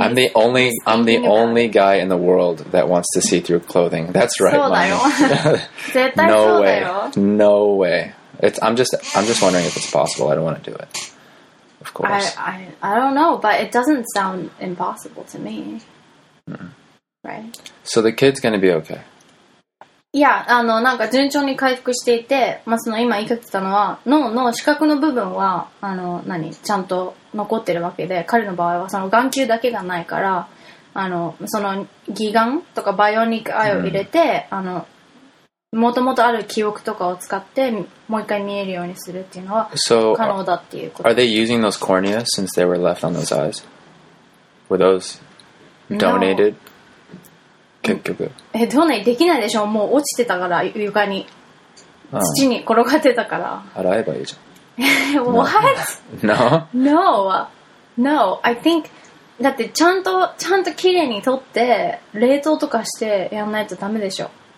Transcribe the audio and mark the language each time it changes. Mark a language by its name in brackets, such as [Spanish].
[English] I'm the only guy in the world that wants to see through clothing. That's right, Maya. No way. I'm just wondering if it's possible. I don't want to do it. Of course. I don't know, but it doesn't sound impossible to me. Mm-hmm. Right. So the kid's gonna be okay. [Japanese] Yeah, なんか順調に回復していて、まあ、その今言いかけてたのは、脳の視覚の部分は、何、ちゃんと残ってるわけで、彼の場合はその眼球だけがないから、その義眼とかバイオニックアイを入れて、もともとある記憶とかを使って、もう一回見えるようにするっていうのは、可能だっていうこと。 [English] So, are they using those corneas since they were left on those eyes? Were those donated? No. [Japanese] 結局。どうね、できないでしょ、もう落ちてたから、床に。土に転がってたから。洗えばいいじゃん。 [English] What? No? No. No. I think, [Japanese] だってちゃんと綺麗に取って、冷凍とかしてやんないとダメでしょ。